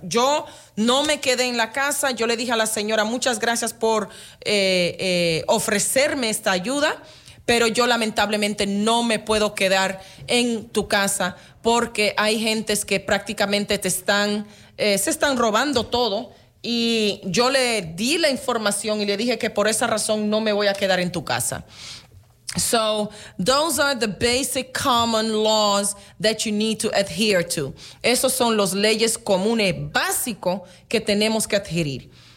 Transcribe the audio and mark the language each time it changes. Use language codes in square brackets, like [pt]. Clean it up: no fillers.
[es] Yo no me quedé en la casa, yo le dije a la señora, muchas gracias por ofrecerme esta ayuda, pero yo lamentablemente no me puedo quedar en tu casa porque hay gentes que prácticamente se están robando todo. Y yo le di la información y le dije que por esa razón no me voy a quedar en tu casa. [en] So, those are the basic common laws that you need to adhere to. [es] Esos son los leyes comunes básicos que tenemos que adherir.